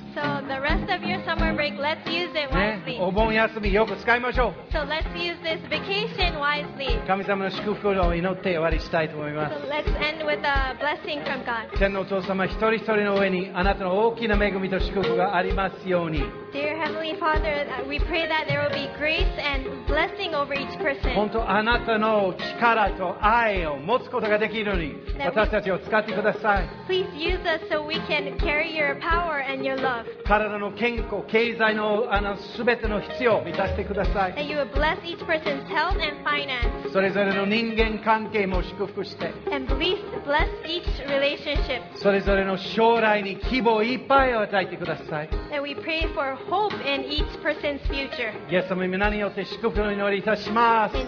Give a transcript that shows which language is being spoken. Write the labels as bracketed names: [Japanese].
[English] So the rest of your summer break Let's use it wisely、 [Japanese] ね、お盆休みよく使いましょう。 [English] So let's use this vacation wisely。 [Japanese] 神様の祝福を祈って終わりしたいと思います。 [English] So let's end with a blessing from God。 [Japanese] 天のお父様、一人一人の上にあなたの大きな恵みと祝福がありますように。 [English] Dear Heavenly Father, we pray that there will be grace and blessing over each person. [Japanese] 本当、あなたの力と愛を持つことができるように、私たちを使ってください。 [English] Please use us so we can carry your power and your love. [Japanese] 体の健康、経済の、あの、すべての必要を満たしてください。 [English] That you will bless each person's health and finance. [Japanese] それぞれの人間関係も祝福して。 [English] And please bless each relationship. [Japanese] それぞれの将来に希望いっぱいを与えてください。 [English] And we pray forHope in each person's future. [Japanese] イエス様、皆によって祝福を祈りいたします。